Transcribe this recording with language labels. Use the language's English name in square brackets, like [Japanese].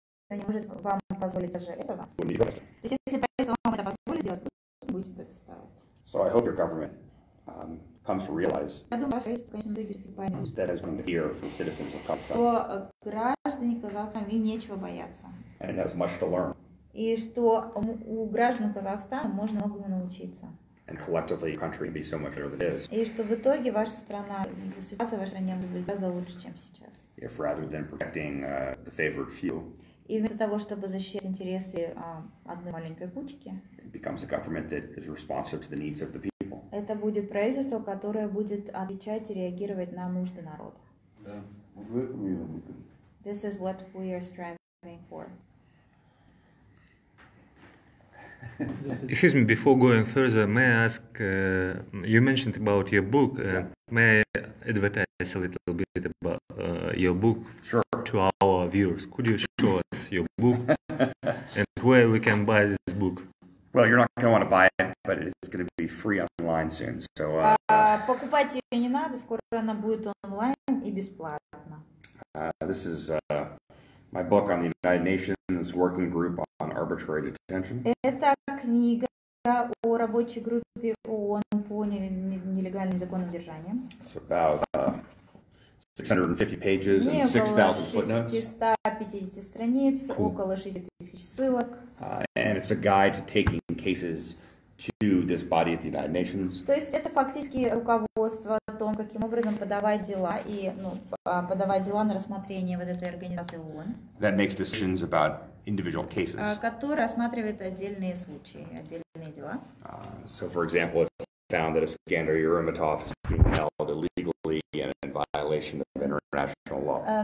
[Russian] не может вам позволить даже этого. То есть если правительство вам это позволит сделать, будете протестовать. [English] So I hope your government comes to realize. [Russian] Я думаю, ваше правительство в конечном итоге все-таки поймет. [English] That is going to fear for the citizens of Kazakhstan. [Russian] Что граждане Казахстана им нечего бояться. [English] And it has much to learn. [Russian] И что у граждан Казахстана можно многому научиться. [English] And collectively, your country be so much better than it is. [Russian] И что в итоге ваша страна, ситуация в вашей стране будет гораздо лучше, чем сейчас. [English] If rather than protecting the favored few. [Russian] И вместо того, чтобы защищать интересы одной маленькой кучки, [English] it becomes a government that is responsive to the needs of the people. [Russian] Это будет правительство, которое будет отвечать и реагировать на нужды народа. [English] Yeah. This is what we are striving for. Excuse me, before going further, may I ask, you mentioned about your book, may I advertise a little bit about your book? Sure. To our viewers, could you show us your book and where we can buy this book? Well, you're not going to want to buy it, but it's going to be free online soon, so... [Russian] Покупать ее не надо, скоро она будет онлайн и бесплатно. [English] This is... my book on the United Nations Working Group on Arbitrary Detention. [Russian] Это книга о рабочей группе ООН по нелегальному незаконному держанию. [English] It's about 650 pages and 6,000 footnotes. [Russian] Не было 650 страниц, около 6,000 ссылок. [English] And it's a guide to taking cases to this body at the United Nations. [Russian] То есть это фактически руководство о том, каким образом подавать дела и, ну, подавать дела на рассмотрение вот этой организации ООН. [English] That makes decisions about individual cases. [Russian] Который рассматривает отдельные случаи, отдельные дела. [English] So for example, if found that Искандера Еримбетова is being held illegally and in violation of international law.